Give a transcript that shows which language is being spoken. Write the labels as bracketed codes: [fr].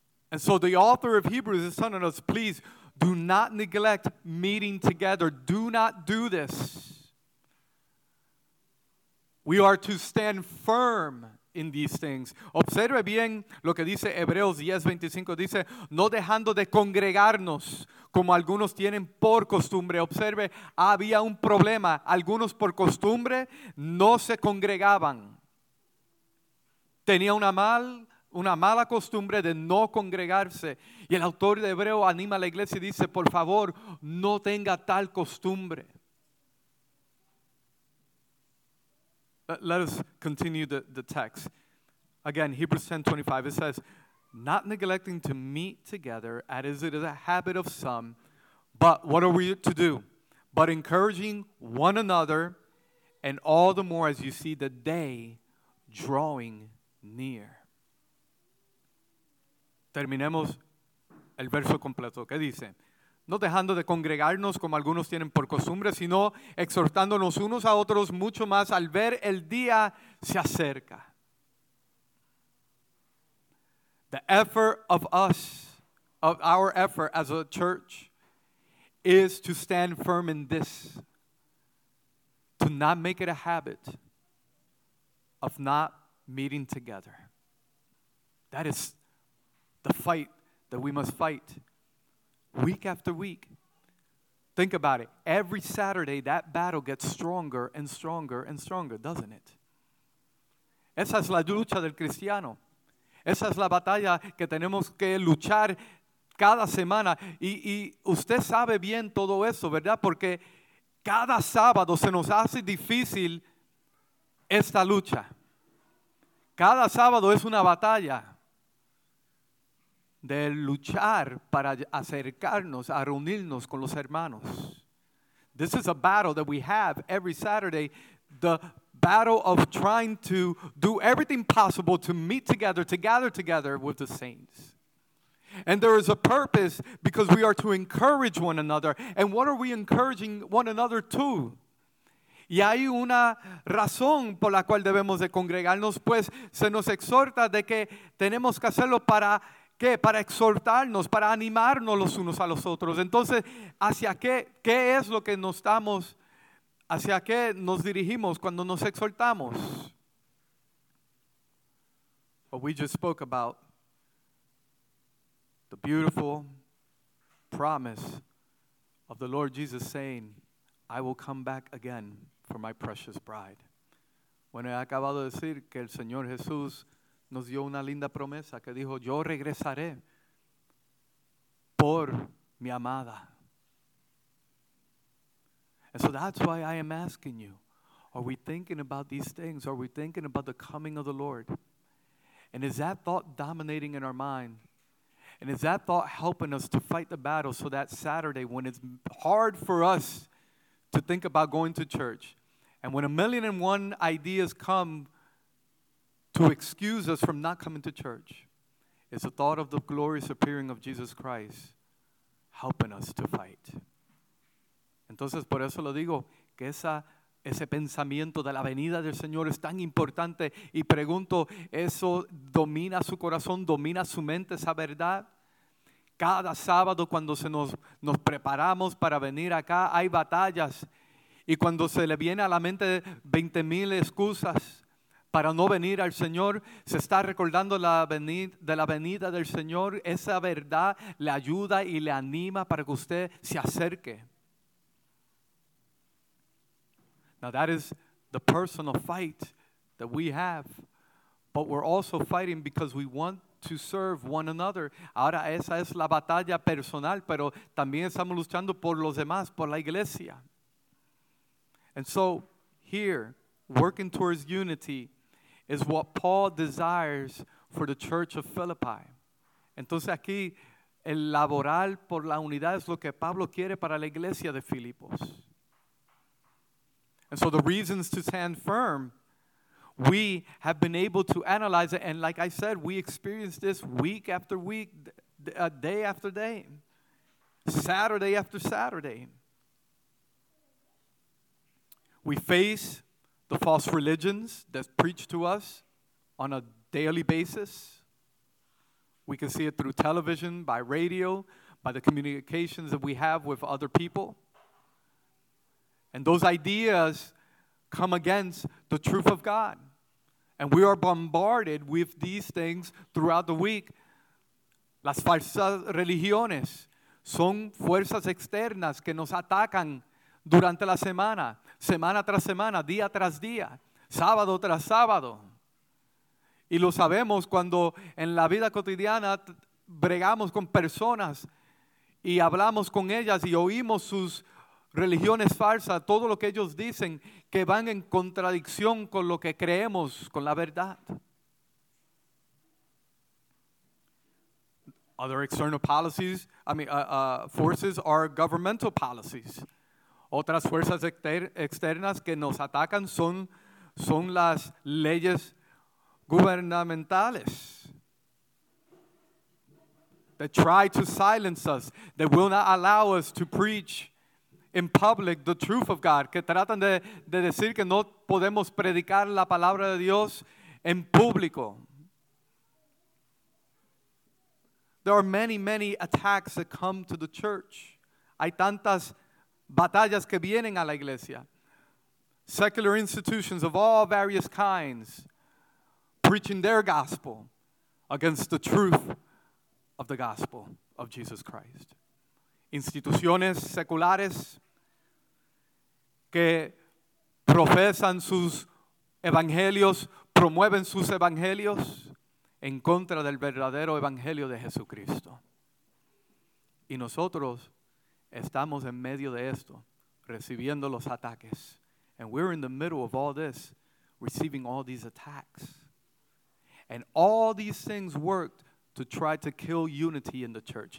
[en] And so the author of Hebrews is telling us, please do not neglect meeting together. Do not do this. We are to stand firm in these things. [es] Observe bien lo que dice Hebreos 10:25. Dice, no dejando de congregarnos, como algunos tienen por costumbre. Observe, había un problema. Algunos por costumbre no se congregaban. Tenía una mala costumbre de no congregarse. Y el autor de Hebreo anima a la iglesia y dice, por favor, no tenga tal costumbre. [en] Let us continue the text. Again, Hebrews 10:25, it says, not neglecting to meet together, as it is a habit of some, but what are we to do? But encouraging one another, and all the more as you see the day drawing near. [es] Terminemos el verso completo. ¿Qué dice? No dejando de congregarnos como algunos tienen por costumbre, sino exhortándonos unos a otros mucho más al ver el día se acerca. [en] The effort of us, of our effort as a church, is to stand firm in this, to not make it a habit of not meeting together. That is the fight that we must fight. Week after week, think about it. Every Saturday, that battle gets stronger and stronger and stronger, doesn't it? [es] Esa es la lucha del cristiano. Esa es la batalla que tenemos que luchar cada semana. Y usted sabe bien todo eso, ¿verdad? Porque cada sábado se nos hace difícil esta lucha. Cada sábado es una batalla de luchar para acercarnos, a reunirnos con los hermanos. [en] This is a battle that we have every Saturday, the battle of trying to do everything possible to meet together, to gather together with the saints. And there is a purpose because we are to encourage one another. And what are we encouraging one another to? [es] Y hay una razón por la cual debemos de congregarnos, pues se nos exhorta de que tenemos que hacerlo para ¿qué? Para exhortarnos, para animarnos los unos a los otros. Entonces, ¿hacia qué? ¿Qué es lo que nos estamos, hacia qué nos dirigimos cuando nos exhortamos? [en] Well, we just spoke about the beautiful promise of the Lord Jesus saying, I will come back again for my precious bride. [es] Bueno, he acabado de decir que el Señor Jesús nos dio una linda promesa que dijo, yo regresaré por mi amada. [en] And so that's why I am asking you, are we thinking about these things? Are we thinking about the coming of the Lord? And is that thought dominating in our mind? And is that thought helping us to fight the battle so that Saturday, when it's hard for us to think about going to church, and when a million and one ideas come to excuse us from not coming to church, is the thought of the glorious appearing of Jesus Christ helping us to fight. [es] Entonces, por eso lo digo, que ese pensamiento de la venida del Señor es tan importante, y pregunto, ¿eso domina su corazón, domina su mente, esa verdad? Cada sábado cuando se nos preparamos para venir acá, hay batallas, y cuando se le viene a la mente 20,000 excusas para no venir al Señor, se está recordando la venida del Señor. Esa verdad le ayuda y le anima para que usted se acerque. [en] Now that is the personal fight that we have. But we're also fighting because we want to serve one another. [es] Ahora esa es la batalla personal, pero también estamos luchando por los demás, por la iglesia. [en] And so here, working towards unity is what Paul desires for the church of Philippi. [es] Entonces aquí, el laborar por la unidad es lo que Pablo quiere para la iglesia de Filipos. [en] And so the reasons to stand firm, we have been able to analyze it, and like I said, we experience this week after week, day after day, Saturday after Saturday. We face the false religions that preach to us on a daily basis. We can see it through television, by radio, by the communications that we have with other people. And those ideas come against the truth of God. And we are bombarded with these things throughout the week. [es] Las falsas religiones son fuerzas externas que nos atacan durante la semana. Semana tras semana, día tras día, sábado tras sábado. Y lo sabemos cuando en la vida cotidiana bregamos con personas y hablamos con ellas y oímos sus religiones falsas, todo lo que ellos dicen que van en contradicción con lo que creemos, con la verdad. [en] Other external policies, forces are governmental policies. [es] Otras fuerzas externas que nos atacan son las leyes gubernamentales. [en] They try to silence us. They will not allow us to preach in public the truth of God. [es] Que tratan de decir que no podemos predicar la palabra de Dios en público. [en] There are many, many attacks that come to the church. [es] Hay tantas batallas que vienen a la iglesia. [en] Secular institutions of all various kinds preaching their gospel against the truth of the gospel of Jesus Christ. [es] Instituciones seculares que profesan sus evangelios, promueven sus evangelios en contra del verdadero evangelio de Jesucristo. Y nosotros estamos en medio de esto, recibiendo los ataques. [en] And we're in the middle of all this, receiving all these attacks. And all these things worked to try to kill unity in the church.